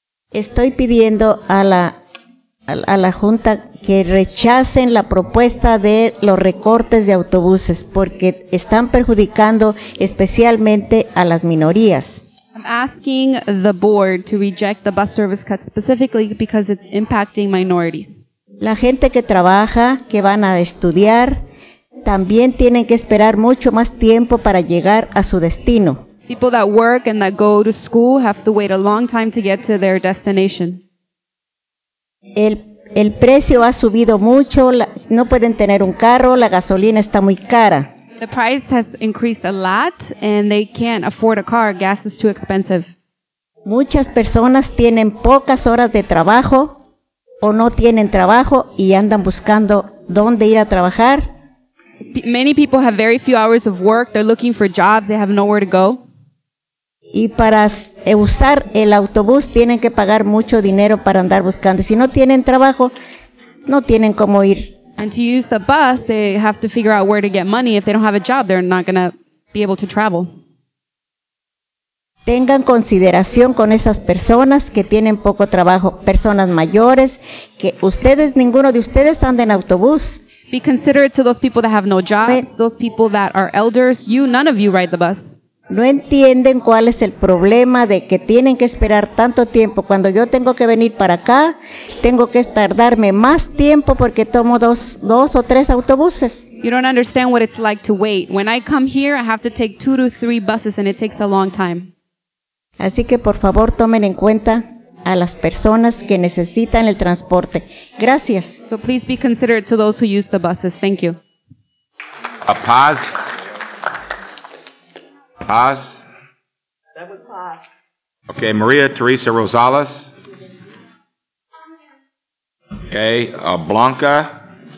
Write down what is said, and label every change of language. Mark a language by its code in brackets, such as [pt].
[es] Estoy pidiendo a la Junta que rechacen la propuesta de los recortes de autobuses porque están perjudicando especialmente a las minorías. [en] I'm asking the board to reject the bus service cut specifically because it's impacting minorities. [es] La gente que trabaja, que van a estudiar, también tienen que esperar mucho más tiempo para llegar a su destino. [en] People that work and that go to school have to wait a long time to get to their destination. [es] El precio ha subido mucho, no pueden tener un carro, la gasolina está muy cara. [en] The price has increased a lot, and they can't afford a car. Gas is too expensive. [es] Muchas personas tienen pocas horas de trabajo o no tienen trabajo y andan buscando dónde ir a trabajar. [en] Many people have very few hours of work. They're looking for jobs. They have nowhere to go. [es] Y para usar el autobús tienen que pagar mucho dinero para andar buscando. Si no tienen trabajo, no tienen cómo ir. [en] And to use the bus, they have to figure out where to get money. If they don't have a job, they're not going to be able to travel. [es] Tengan consideración con esas personas que tienen poco trabajo, personas mayores, que ustedes, ninguno de ustedes anda en autobús. [en] Be considerate to those people that have no jobs, those people that are elders. You, none of you ride the bus. [es] No entienden cuál es el problema de que tienen que esperar tanto tiempo. Cuando yo tengo que venir para acá, tengo que tardarme más tiempo porque tomo dos o tres autobuses. [en] You don't understand what it's like to wait. When I come here, I have to take 2 to 3 buses and it takes a long time. [es] Así que por favor tomen en cuenta a las personas que necesitan el transporte. Gracias. [en] So please be considerate to those who use the buses. Thank you. A pause. Paz? That was Paz. Okay, Maria Teresa Rosales. Okay, Blanca.